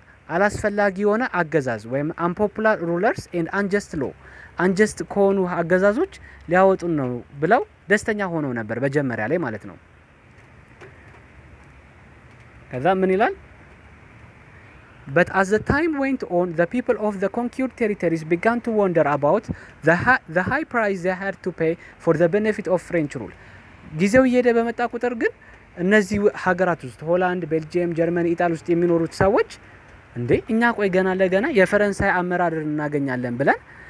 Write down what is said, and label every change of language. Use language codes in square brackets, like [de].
[am] አላስፈላጊ የሆነ አገዛዝ ወይም [en] unpopular rulers and unjust law [am] unjust ከሆኑ አገዛዞች ሊያወጡን ነው ብለው ደስተኛ ሆኖ ነበር በጀመሪያ ላይ ማለት ነው። ከዛ ምን ይላል? [en] But as the time went on, the people of the conquered territories began to wonder about the high price they had to pay for the benefit of French rule. [am] ጊዜው እየሄደ በመጣ ቁጥር ግን እነዚህ ሀገራት ውስጥ ሆላንድ፣ ቤልጂየም፣ ጀርመን፣ ኢጣሊ ውስጥ የሚኖሩት ሰዎች እንዴ እኛ ቆይ ገና ለገና የፈረንሳይ አመራርን እናገኛለን ብለን